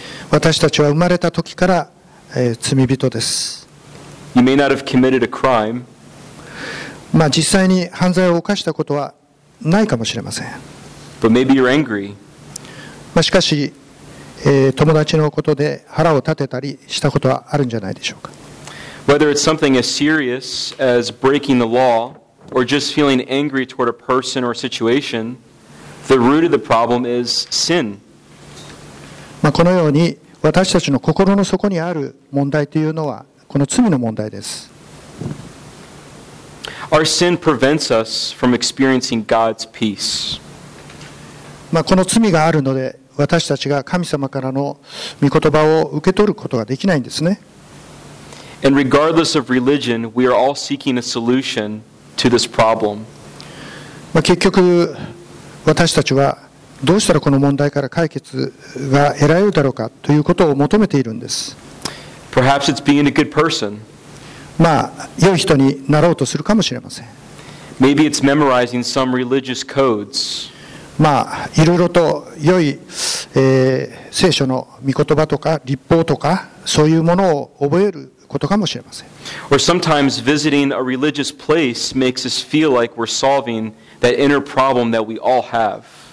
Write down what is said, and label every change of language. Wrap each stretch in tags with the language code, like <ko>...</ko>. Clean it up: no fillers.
<ja>私たちは生まれた時から、罪人です。</ja> <en>You may not have committed a crime.</en> <ja>まあ、実際に犯罪を犯したことはないかもしれません。</ja> <en>But maybe you're angry.</en> <ja>まあしかし、友達のことで腹を立てたりしたことはあるんじゃないでしょうか。</ja> <en>Whether it's something as serious as breaking the law or just feeling angry toward a person or situation, the root of the problem is sin.</en> <ja>まあこのように私たちの心の底にある問題というのはこの罪の問題です。</ja> <en>Our sin prevents us from experiencing God's peace.</en> <ja>まあこの罪があるので私たちが神様からの御言葉を受け取ることができないんですね。</ja> <en>And regardless of religion, we are all seeking a solution to this problem.</en> <ja>まあ結局私たちはどうしたらこの問題から解決が得られるだろうかということを求めているんです。</ja> <en>Perhaps it's being a good person.</en> <ja>まあ、良い人になろうとするかもしれません。</ja> <en>Maybe it's memorizing some religious codes.</en> <ja>まあ、いろいろと良い、聖書の御言葉とか律法とかそういうものを覚えることかもしれません。</ja> <en>Or sometimes visiting a religious place makes us feel like we're solving that inner problem that we all have.</en>